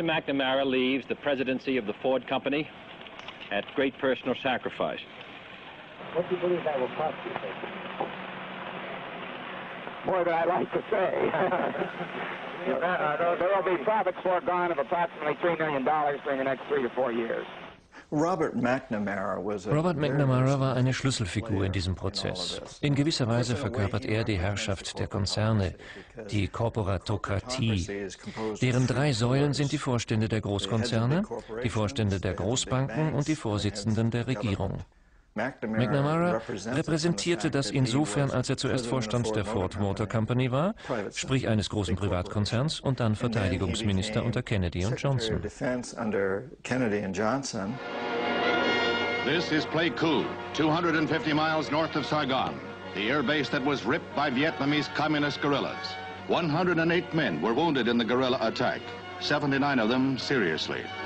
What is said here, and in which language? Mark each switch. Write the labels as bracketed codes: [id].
[en] McNamara leaves the presidency of the Ford Company at great personal sacrifice. What do you believe that will cost you, sir? More than I'd like to say. There will be profits foregone of approximately $3 million during the next 3 to 4 years. [de] Robert McNamara war eine Schlüsselfigur in diesem Prozess. In gewisser Weise verkörpert er die Herrschaft der Konzerne, die Korporatokratie. Deren drei Säulen sind die Vorstände der Großkonzerne, die Vorstände der Großbanken und die Vorsitzenden der Regierung. McNamara repräsentierte das insofern, als er zuerst Vorstand der Ford Motor Company war, sprich eines großen Privatkonzerns, und dann Verteidigungsminister unter Kennedy und Johnson. [en] This is Pleiku, 250 miles north of Saigon, the airbase that was ripped by Vietnamese communist guerrillas. 108 men were wounded in the guerrilla attack, 79 of them seriously.